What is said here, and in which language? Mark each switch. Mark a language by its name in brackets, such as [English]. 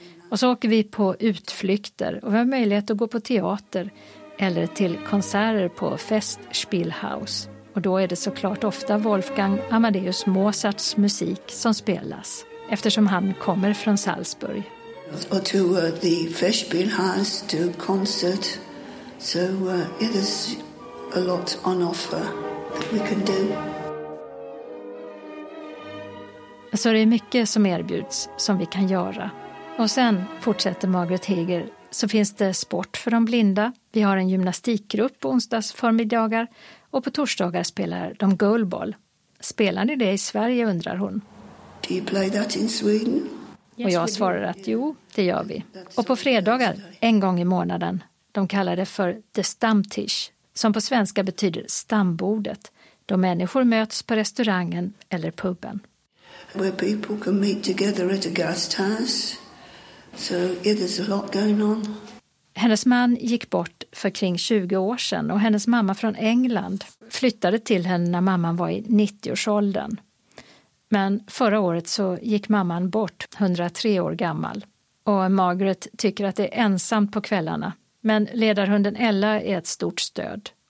[Swedish] Och så åker vi på utflykter och vi har möjlighet att gå på teater eller till konserter på Festspielhaus. Och då är det såklart ofta Wolfgang Amadeus Mozarts musik som spelas, eftersom han kommer från Salzburg. [English] Och to the Festspielhaus to concert. So it is a lot on offer that we can do. [Swedish] Så det är mycket som erbjuds som vi kan göra. Och sen, fortsätter Margaret Heger, så finns det sport för de blinda. Vi har en gymnastikgrupp på onsdags förmiddagar och på torsdagar spelar de goalball. Spelar ni det i Sverige, undrar hon. [English] Do you play that in Sweden? [Swedish] Och jag svarar att jo, det gör vi. Och på fredagar, en gång i månaden, de kallar det för The Stammtisch, som på svenska betyder stambordet, då människor möts på restaurangen eller puben. [English] Where people can meet together at a guesthouse. So, yeah, there's a lot going on. [Swedish] Hennes man gick bort för kring 20 år sedan och hennes mamma från England flyttade till henne när mamman var i 90-årsåldern. Men förra året så gick mamman bort, 103 år gammal. Och Margaret tycker att det är ensamt på kvällarna. Men ledarhunden Ella är ett stort stöd.